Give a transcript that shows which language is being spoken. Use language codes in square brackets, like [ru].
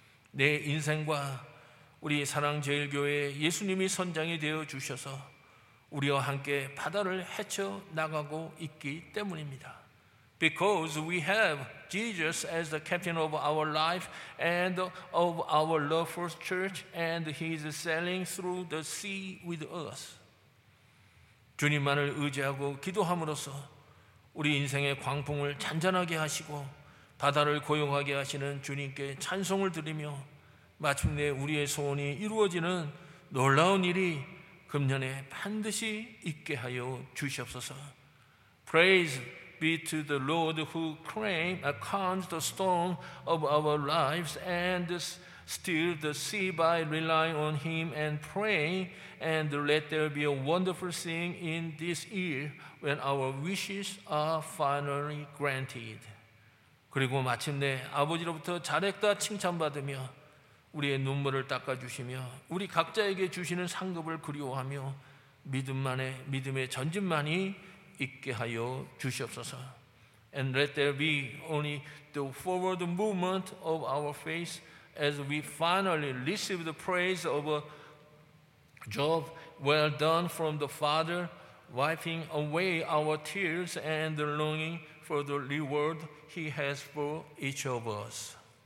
[ko] 내 인생과 우리 사랑제일교회 예수님이 선장이 되어 주셔서 우리와 함께 바다를 헤쳐 나가고 있기 때문입니다. [en] Because we have Jesus as the captain of our life and of our love for church, and he is sailing through the sea with us. [ko] 주님만을 의지하고 기도함으로써 우리 인생의 광풍을 잔잔하게 하시고 바다를 고용하게 하시는 주님께 찬송을 드리며 마침내 우리의 소원이 이루어지는 놀라운 일이 금년에 반드시 있게 하여 주시옵소서. [en] Praise be to the Lord who calms the storm of our lives and still the sea by relying on him and praying, and let there be a wonderful thing in this year when our wishes are finally granted. [ko] 그리고 마침내 아버지로부터 잘했다 칭찬받으며 우리의 눈물을 닦아주시며 우리 각자에게 주시는 상급을 그리워하며 믿음만의 믿음의 전진만이 있게 하여 주시옵소서. [en] And let there be only the forward movement of our faith as we finally receive the praise of a job well done from the Father, wiping away our tears and the longing for the reward he has for each of us.